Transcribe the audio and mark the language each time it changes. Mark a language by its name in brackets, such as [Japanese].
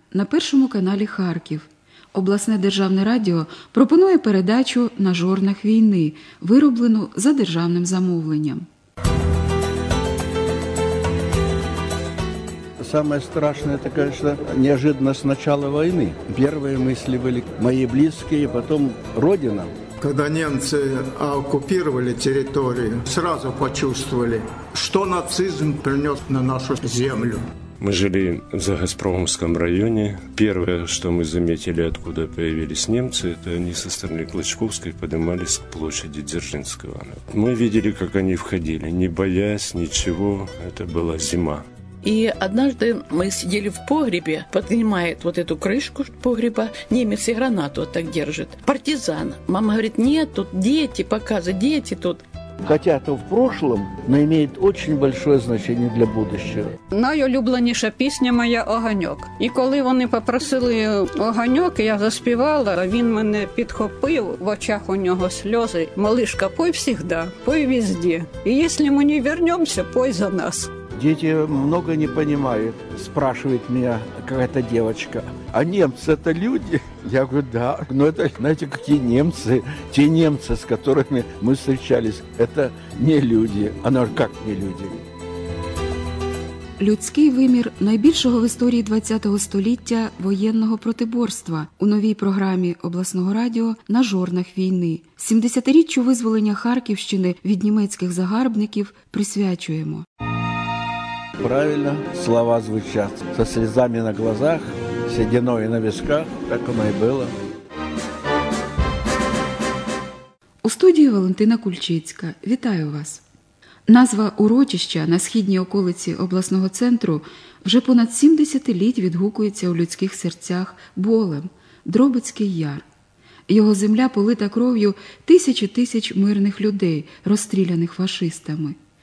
[Ukrainian] На першому каналі Харків. Обласне державне радіо пропонує передачу «На жорнах війни», вироблену за державним замовленням. [Russian] Самое страшное, это, конечно, неожиданность начала войны. Первые мысли были мои близкие, потом родина. Когда немцы оккупировали территорию, сразу почувствовали, что нацизм принес на нашу землю. Мы жили в Загазпромовском районе. Первое, что мы заметили, откуда появились немцы, это они со стороны Клочковской поднимались к площади Дзержинского. Мы видели, как они входили, не боясь ничего. Это была зима. И однажды мы сидели в погребе, поднимает вот эту крышку погреба, немец и гранату вот так держит. Партизан. Мама говорит, нет, тут дети, показывай, дети тут. Хотя то в прошлом, но имеет очень большое значение для будущего. [Ukrainian] Найулюбленіша пісня моя «Огоньок». І коли вони попросили «Огоньок», я заспівала, він мене підхопив, в очах у нього сльози. [Russian] Малышка, пой всегда, пой везде. [Ukrainian] І якщо ми не вернемся, [Russian] пой за нас. Дети много не понимают, спрашивает меня какая-то девочка. А немцы это люди? Я говорю, да. Но это, знаете, какие немцы? Те немцы, с которыми мы встречались, это не люди. Она же как не люди? [Ukrainian] Людський вимір найбільшого в історії 20-го століття воєнного протиборства у новій програмі обласного радіо «На жорнах війни». 70-річчю визволення Харківщини від німецьких загарбників присвячуємо. [Russian] Правильно слова звучат. Со слезами на глазах, сединой на висках, так оно и было. [Ukrainian] У студії Валентина Кульчицька. Вітаю вас. Назва урочища на східній околиці обласного центру вже понад 70 літ відгукується у людських серцях болем – Дробицький яр. Його земля полита кров'ю тисячі тисяч мирних людей, розстріляних фашистами.